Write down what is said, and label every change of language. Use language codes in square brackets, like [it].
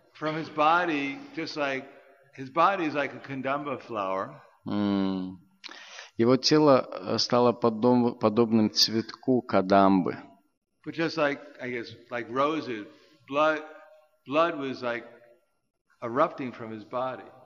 [en] From his body, just like his body is like a kandamba flower. [ru] Его тело стало подобным цветку кадамбы. [en] But just like, I guess, like roses, blood was like erupting from his body.